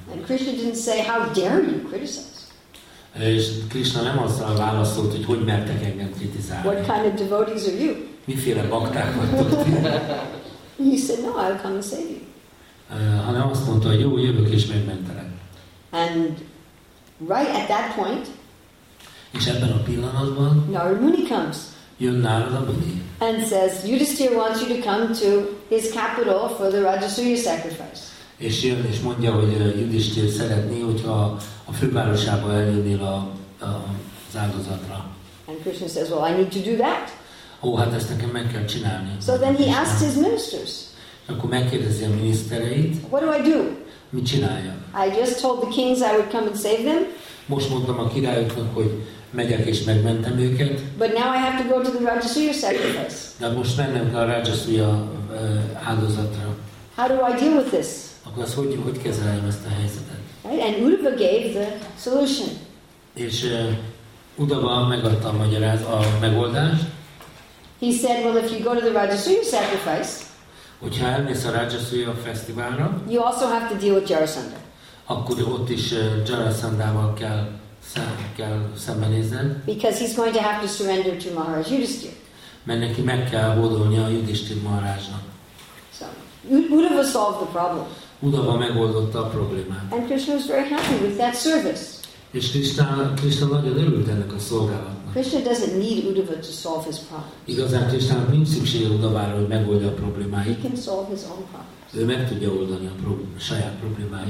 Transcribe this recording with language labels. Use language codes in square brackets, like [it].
[en] And Krishna didn't say, how dare you criticize? [hu] És Krishna nem azzal válaszolt, hogy hogy mertek engem kritizálni. [en] What kind of devotees are you? [hu] Miféle bakták vagytok ti? [en] He said, no, I'll come and save you. [hu] Hanem azt mondta, hogy jó, jövök és megmentelek. [en] And right at that point, [hu] és ebben a pillanatban, [en] Narada Muni comes. [hu] Jön Narada Muni. [en] And says, Yudhisthira wants you to come to his capital for the Rajasuya sacrifice. [hu] És jön és mondja, hogy Yudhisthira szeretné, hogyha a fővárosába eljönnél az áldozatra. [en] And Krishna says, well, I need to do that. [hu] Ó, hát ezt nekem meg kell csinálni. [en] So then he asked his ministers. [hu] Akkor megkérdezi a minisztereit. [en] What do I do? [hu] Mit csináljam? [en] I just told the kings I would come and save them. [hu] Most mondtam a királyoknak, hogy megyek és megmentem őket. [en] But now I have to go to the Rajasuya sacrifice. [hu] De most mennem kell a Rajasuya áldozatra. [en] How do I deal with this? [hu] Akkor azt hogy kezeljem ezt a helyzetet? [en] Right? And Uddhava gave the solution. [hu] És Uddhava megadta a megoldást. [en] He said, well, if you go to the Rajasuya sacrifice, [hu] hogyha elmész a Rajasuya fesztiválra, [en] you also have to deal with Jarasandha. [hu] Akkor ott is Jarasandhával kell szembenézned. [en] Because he's going to have to surrender to Maharaj Yudhisthira. [hu] Mert neki meg kell hódolni a Yudhisthira Maharajnak. [en] So, Uddhava solved the problem. [hu] Uddhava megoldotta a problémát. [en] And Krishna was very happy with that service. [hu] És Krishna nagyon örült ennek a szolgálatnak. [en] Krishna doesn't need Uddhava to solve his problems. [hu] Igazán Krishna nincs szüksége Uddhavára, hogy megoldja a problémáit. [en] He can solve his own problems. [hu] Ő meg tudja oldani a saját problémáit.